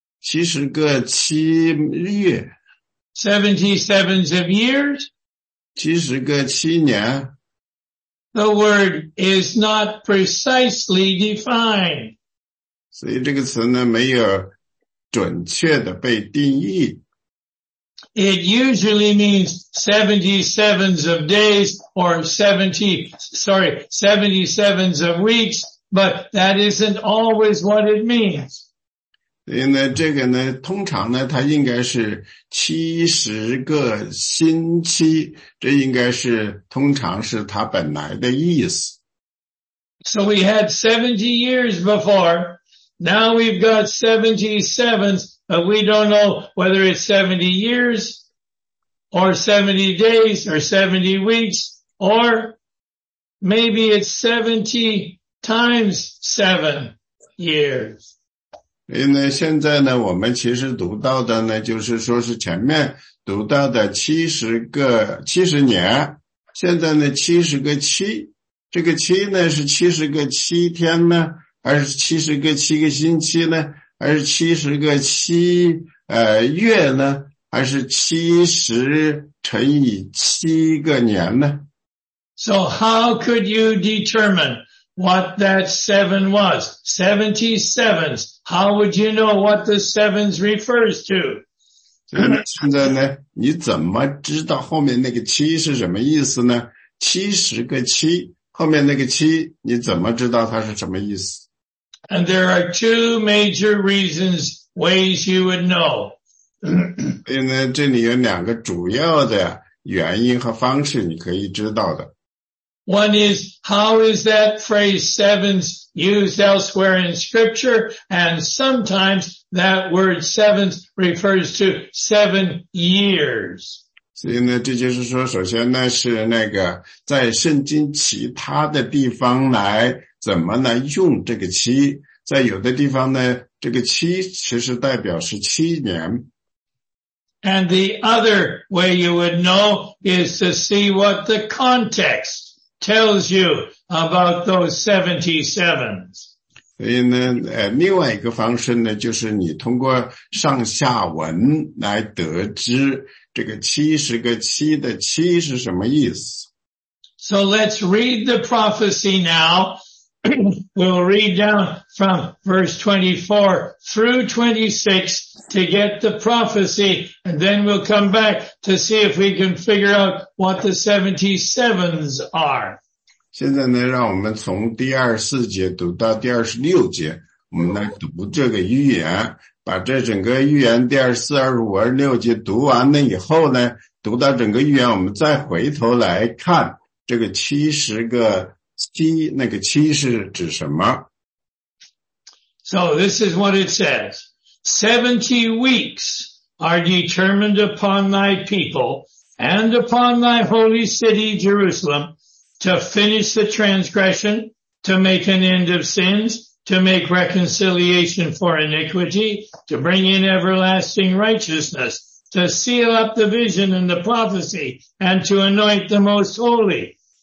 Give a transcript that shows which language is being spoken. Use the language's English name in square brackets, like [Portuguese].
[Chinese] 70个七月？ [English] 77s of years? [Chinese] 70个七年？ [English] The word is not precisely defined. [Chinese] 所以这个词呢，没有准确的被定义。 [English] It usually means 77s of days or 77s of weeks, but that isn't always what it means. [Chinese] 所以呢，这个呢，通常呢，它应该是70个星期，这应该是通常是它本来的意思。 [English] So we had 70 years before, now we've got 77s, but we don't know whether it's 70 years, or 70 days, or 70 weeks, or maybe it's 70 times 7 years. [Chinese] 所以呢现在呢我们其实读到的呢就是说是前面读到的70年，现在呢70个7，这个七呢是70个7天呢，还是70个7个星期呢，还是70个7月呢，还是70×7个年呢？ [English] So how could you determine what that seven was? 77s. How would you know what the sevens refers to? [Chinese] 现在呢，你怎么知道后面那个七是什么意思呢？七十个七，后面那个七，你怎么知道它是什么意思？ [English] And there are two major reasons, ways you would know. [Chinese] 因为这里有两个主要的原因和方式你可以知道的。 [English] One is, how is that phrase sevens used elsewhere in scripture? And sometimes that word sevens refers to 7 years. [Chinese] 所以呢这就是说首先呢是那个在圣经其他的地方来怎么来用这个七。在有的地方呢这个七其实代表是7年。 [English] And the other way you would know is to see what the context tells you about those 77s. [Chinese] 所以呢另外一个方式呢就是你通过上下文来得知这个70个七的七是什么意思。 [English] So let's read the prophecy now. We'll read down from verse 24 through 26 to get the prophecy, and then we'll come back to see if we can figure out what the 77s are. [Chinese] 现在呢，让我们从第24节读到第26节，我们来读这个预言，把这整个预言第24、25、26节读完了以后呢，读到整个预言，我们再回头来看这个70个七，那个七是指什么？ [English] So this is what it says. 70 weeks are determined upon thy people and upon thy holy city Jerusalem to finish the transgression, to make an end of sins, to make reconciliation for iniquity, to bring in everlasting righteousness, to seal up the vision and the prophecy, and to anoint the most holy.